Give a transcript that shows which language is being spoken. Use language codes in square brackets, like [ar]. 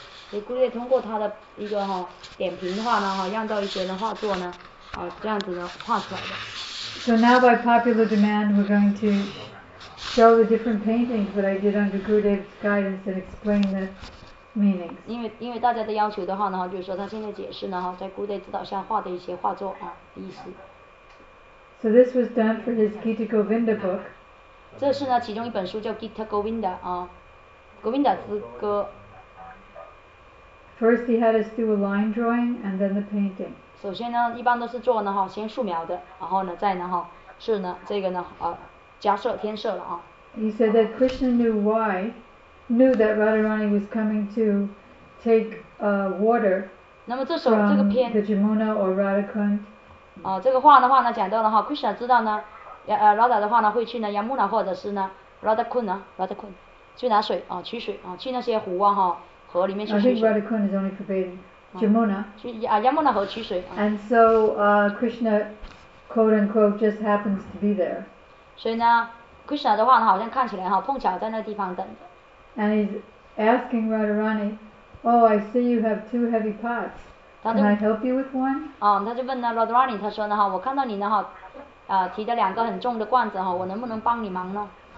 [zh] So Gurudev 通过他的一个哈点评的话呢，哈让到一些人画作呢，啊这样子呢画出来的。 [en] So now by popular demand, we're going to show the different paintings that I did under Gurudev's guidance and explain the meanings. [zh] 因为大家的要求的话呢，就是说他现在解释呢，哈在 Gurudev 指导下画的一些画作啊意思。 [en] So this was done for his Gita Govinda book. [zh] 这是呢，其中一本书叫《Gita Govinda》啊，《Govinda 之歌》。 [en] First, he had us do a line drawing and then the painting. [zh] 首先呢，一般都是做呢哈，先素描的，然后呢，再呢哈，是呢这个呢加色添色了啊。 [en] He said that Krishna knew that Radharani was coming to take water. [zh] 那么这首这个篇。 [en] The Jamuna or Radhakund. [zh] 啊，这个话的话呢，讲到了哈 ，Krishna 知道呢。Radha 的话呢，会去呢 Yamuna 或者是呢 Radhakund 啊 Radhakund 去拿水啊取水啊去那些湖啊哈河里面去取水。 [en] I think Radhakund is only forbidden. Jamuna. [zh] 去啊 Yamuna 河取水。 [en] And so, Krishna, quote unquote, just happens to be there. [zh] 所以呢 ，Krishna 的话呢，好像看起来哈碰巧在那地方等着。 [en] And he's asking Radharani, "Oh, I see you have two heavy pots. Can I help you with one?" [zh] 啊，他就问呢 Radharani， 他说呢哈，我看到你呢哈。提着两个很重的罐子哈，我能不能帮你忙呢